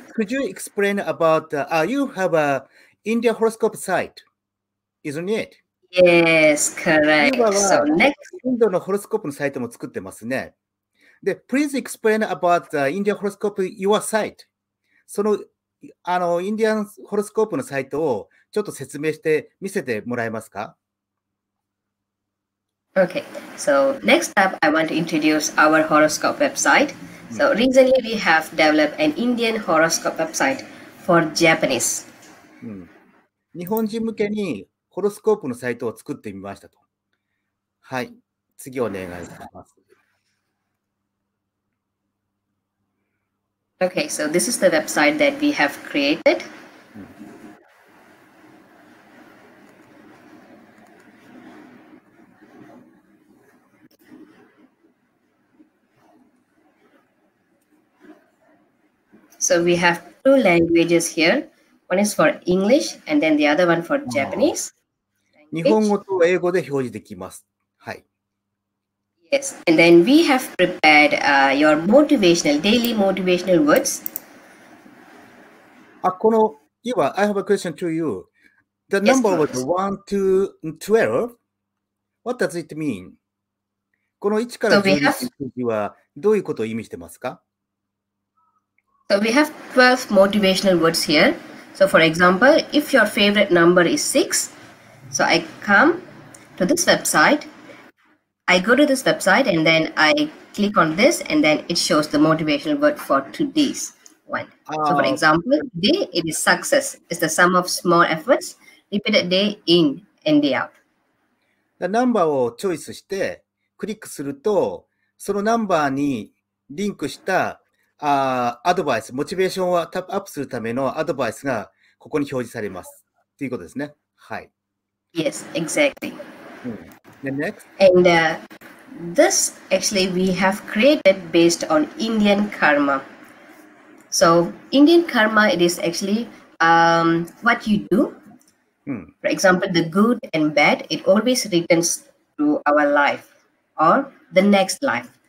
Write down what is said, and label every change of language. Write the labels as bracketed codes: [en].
[en] Could you explain about, you have an India horoscope site, isn't it? Yes, correct. So next... [ja] インドのホロスコープのサイトも作ってますね。で、 [en] please explain about the India horoscope, your site. [ja] その、インディアンホロスコープのサイトをちょっと説明して見せてもらえますか? [en] Okay, so next up, I want to introduce our horoscope website. So recently, we have developed an Indian horoscope website for Japanese. [ja] 日本人向けにホロスコープのサイトを作ってみましたと。はい、次お願いします。 [en] Okay, so this is the website that we have created. So we have two languages here. One is for English and then the other one for Japanese. [ja] 日本語と英語で表示できます。はい。 [en] Yes, and then we have prepared your motivational, daily motivational words. [ja] あ、この、いわ、 [en] I have a question to you. The number was 1 to 12. What does it mean? [ja] この1から12の数字はどういうことを意味してますか? [en] So we have 12 motivational words here. So for example, if your favorite number is 6, so I come to this website. I go to this website and then I click on this and then it shows the motivational word for today's one. So for example, today it is success. It's the sum of small efforts repeated day in and day out. The number [ja] をチョイスしてクリックするとそのナンバーにリンクしたアドバイス、モチベーションをタップアップするためのアドバイスがここに表示されますということですね。はい。 [en] Yes, exactly. The next. And this actually we have created based on Indian karma. So Indian karma, it is actually what you do. For example, the good and bad, it always returns to our life or the next life.